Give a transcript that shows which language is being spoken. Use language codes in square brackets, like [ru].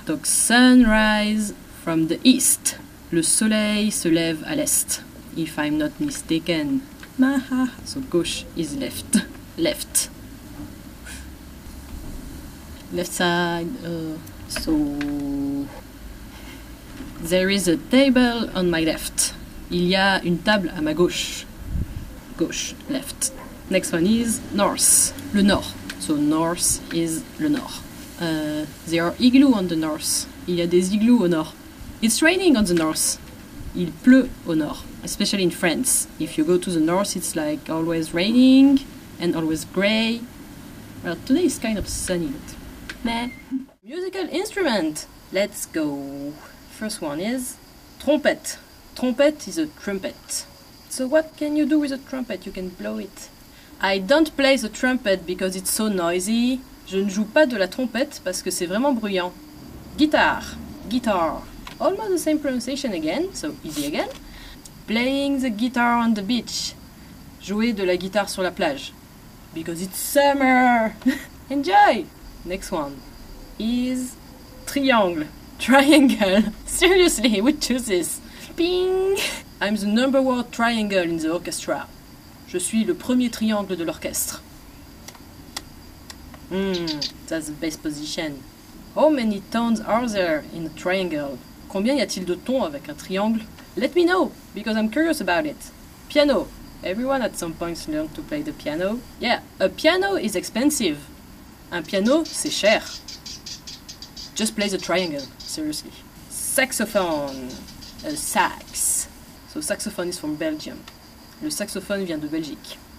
[fr] Donc [en] sunrise from the east. [fr] Le soleil se lève à l'est. [en] If I'm not mistaken. Maha. So gauche is left. Left. Left side. So there is a table on my left. [fr] Il y a une table à ma gauche. [en] Gauche, left. Next one is north. Le nord. So north is le nord. There are igloos on the north. [fr] Il y a des igloos au nord. [en] It's raining on the north. [fr] Il pleut au nord. [en] Especially in France. If you go to the north, it's like always raining and always gray. Well, today is kind of sunny, but meh. Musical instrument. Let's go. First one is trompette. Trompette is a trumpet. So what can you do with a trumpet? You can blow it. I don't play the trumpet because it's so noisy. [fr] Je ne joue pas de la trompette parce que c'est vraiment bruyant. [en] Guitar. Guitar. Almost the same pronunciation again, so easy again. Playing the guitar on the beach. [fr] Jouer de la guitare sur la plage. [en] Because it's summer. Enjoy. Next one is triangle. Triangle. Seriously, we choose this. Ping. I'm the number one triangle in the orchestra. [fr] Je suis le premier triangle de l'orchestre. [en] That's the best position. How many tones are there in a triangle? [fr] Combien y a-t-il de tons avec un triangle? [en] Let me know, because I'm curious about it. Piano. Everyone at some point learned to play the piano. Yeah, a piano is expensive. [fr] Un piano, c'est cher. [en] Just play the triangle, seriously. Saxophone. A sax. So saxophone is from Belgium. [fr] Le saxophone vient de Belgique.